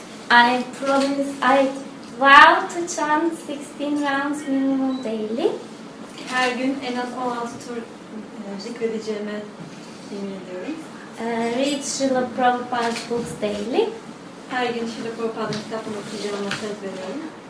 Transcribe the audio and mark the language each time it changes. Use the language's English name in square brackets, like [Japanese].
[English] I promise I vow to chant 16 rounds minimum daily. [Turkish] Her gün en az 16 tur zikredeceğime emin ediyorum. [English] Read Srila Prabhupada's books daily. [Turkish] Her gün Srila Prabhupada'nın kitabını okuyacağıma söz veriyorum.